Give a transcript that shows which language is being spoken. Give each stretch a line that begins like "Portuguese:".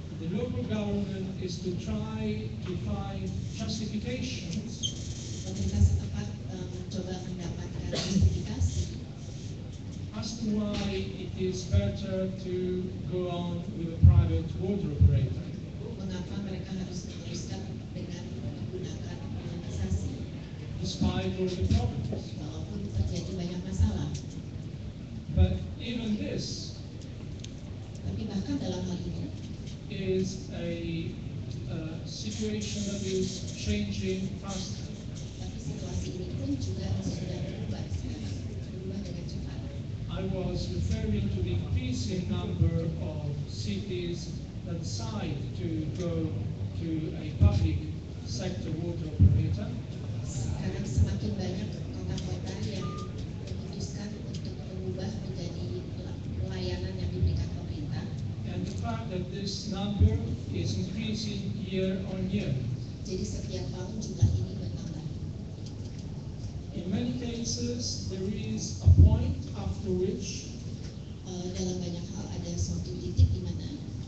English: the local government is to try to find justifications,
Indonesian: pemerintah setempat mencoba mendapatkan justifikasi,
English: as to why it is better to go on with a private water operator.
Indonesian: Mengapa mereka harus meneruskan dengan menggunakan privatisasi?
English: Despite all the problems.
Indonesian: Walaupun terjadi banyak masalah.
English: But even this,
Indonesian: tapi bahkan dalam hal ini,
English: is a situation that is changing faster.
Indonesian: Tapi situasi ini pun juga sudah berubah sekarang, berubah dengan cepat.
English: I was referring to the increasing number of cities that decide to go to a public sector water operator.
Indonesian: Sekarang semakin banyak kota-kota yang memutuskan untuk mengubah menjadi pelayanan yang diberikan pemerintah.
English: And the fact that this number is increasing year on year.
Indonesian: Jadi setiap tahun jumlah ini bertambah.
English: In many cases, there is a point after which,
Indonesian: dalam banyak hal ada suatu titik di mana